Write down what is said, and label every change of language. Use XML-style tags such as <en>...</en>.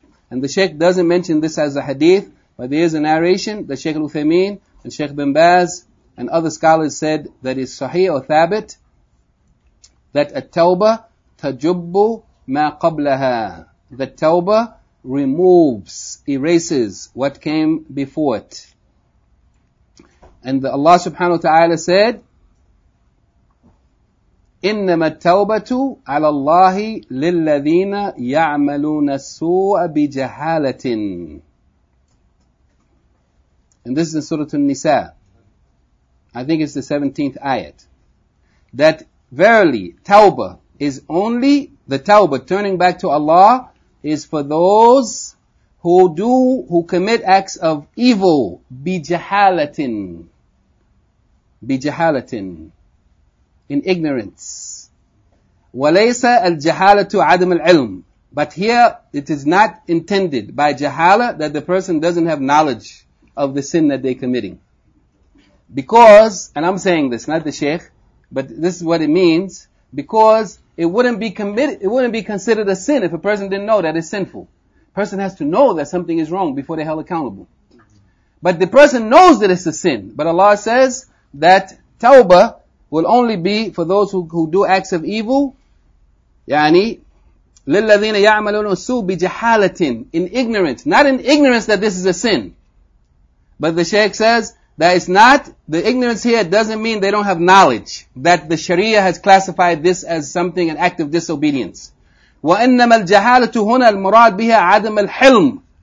<en>And the Shaykh doesn't mention this as a hadith, but there is a narration that Shaykh al-Uthaymeen and Shaykh bin Baz and other scholars said that is sahih or thabit, that at-tawbah</en> <ar>تَجُبُّ مَا قَبْلَهَا.</ar> <en>The tawbah removes, erases what came before it. And Allah subhanahu wa ta'ala said,</en> <ar>إِنَّمَا التَّوْبَةُ عَلَى اللَّهِ لِلَّذِينَ يَعْمَلُونَ السُّوءَ بِجَهَالَةٍ.</ar> <en>And this is in Surah An-Nisa. I think it's the 17th ayat. That verily, tawbah is only the tawbah, turning back to Allah, is for those who commit acts of evil, bijahalatin, bijahalatin, in ignorance.</en> <ar>وَلَيْسَ الْجَهَالَةُ عَدْمُ الْعِلْمِ.</ar> <en>But here, it is not intended by jahala that the person doesn't have knowledge of the sin that they're committing. Because, and I'm saying this, not the Shaykh, but this is what it means, because it wouldn't be considered a sin if a person didn't know that it's sinful. A person has to know that something is wrong before they're held accountable. But the person knows that it's a sin. But Allah says that tawbah will only be for those who do acts of evil.</en> <ar>Yani, لِلَّذِينَ يَعْمَلُونَ السُّوءَ بِجَحَالَةٍ,</ar> <en>in ignorance. Not in ignorance that this is a sin. But the Shaykh says that it's not, the ignorance here doesn't mean they don't have knowledge that the Sharia has classified this as something, an act of disobedience.</en> <ar>وَإِنَّمَا الْجَحَالَةُ هُنَا الْمُرَادُ بِهَا عَدَمَ الْحِلْمِ.</ar>